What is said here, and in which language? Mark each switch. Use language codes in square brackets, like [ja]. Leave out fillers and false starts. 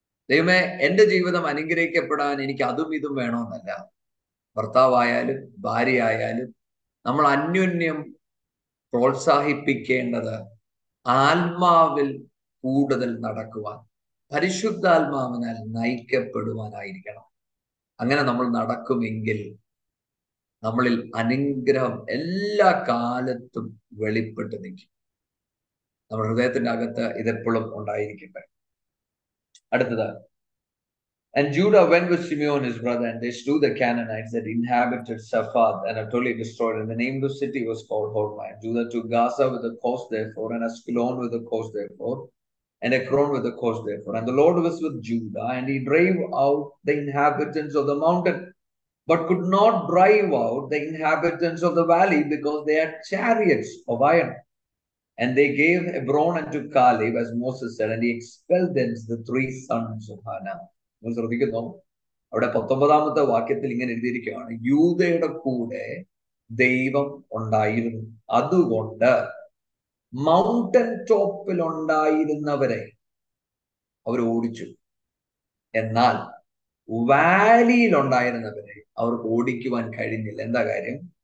[ml] ദൈവമേ, എൻ്റെ ജീവിതം അനുഗ്രഹിക്കപ്പെടാൻ എനിക്ക് അതും ഇതും വേണമെന്നല്ല, ഭർത്താവായാലും ഭാര്യയായാലും നമ്മൾ അന്യോന്യം പ്രോത്സാഹിപ്പിക്കേണ്ടത് ആത്മാവിൽ കൂടുതൽ നടക്കുവാൻ, പരിശുദ്ധാത്മാവിനാൽ നയിക്കപ്പെടുവാനായിരിക്കണം. അങ്ങനെ നമ്മൾ നടക്കുമെങ്കിൽ നമ്മളിൽ അനുഗ്രഹം എല്ലാ കാലത്തും വെളിപ്പെട്ട് നിൽക്കും. നമ്മുടെ ഹൃദയത്തിൻ്റെ അകത്ത് ഇതെപ്പോഴും ഉണ്ടായിരിക്കട്ടെ. അടുത്തത്, [en] And Judah went with Simeon his brother, and they slew the Canaanites that inhabited Sephath, and utterly destroyed it. The name of the city was called Horma. Judah took Gaza with a coast therefore, and Ascalon with a coast therefore, and Ekron with a coast therefore. And the Lord was with Judah, and he drove out the inhabitants of the mountain, but could not drive out the inhabitants of the valley, because they had chariots of iron. And they gave Hebron unto Caleb, as Moses said, and he expelled thence the three sons of Anak. [ml] ശ്രദ്ധിക്കുന്നോ, അവിടെ 19-ാമത്തെ വാക്യത്തിൽ ഇങ്ങനെ എഴുതിയിരിക്കുകയാണ്, യൂദയുടെ കൂടെ ദൈവം ഉണ്ടായിരുന്നു, അതുകൊണ്ട് mountain ടോപ്പിൽ ഉണ്ടായിരുന്നവരെ അവർ ഓടിച്ചു, എന്നാൽ വാലിയിൽ ഉണ്ടായിരുന്നവരെ അവർക്ക് ഓടിക്കുവാൻ കഴിഞ്ഞില്ല. എന്താ കാര്യം?